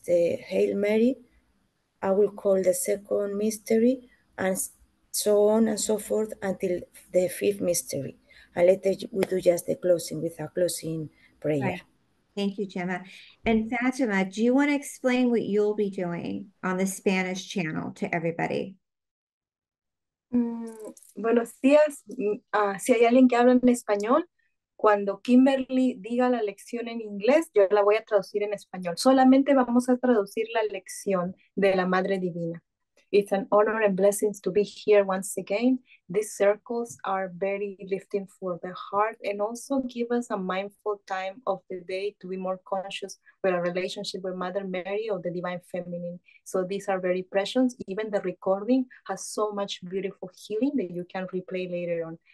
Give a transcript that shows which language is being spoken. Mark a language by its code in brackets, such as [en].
[en] The Hail Mary. I will call the second mystery, and so on and so forth until the fifth mystery. And later we do just the closing with a closing prayer. Right. Thank you, Gemma. And Fatima, do you want to explain what you'll be doing on the Spanish channel to everybody? [es] Buenos días. Si hay alguien que habla en español, cuando Kimberly diga la lección en inglés, yo la voy a traducir en español. Solamente vamos a traducir la lección de la Madre Divina. [en] It's an honor and blessings to be here once again. These circles are very lifting for the heart and also give us a mindful time of the day to be more conscious with our relationship with Mother Mary or the Divine Feminine. So these are very precious. Even the recording has so much beautiful healing that you can replay later on.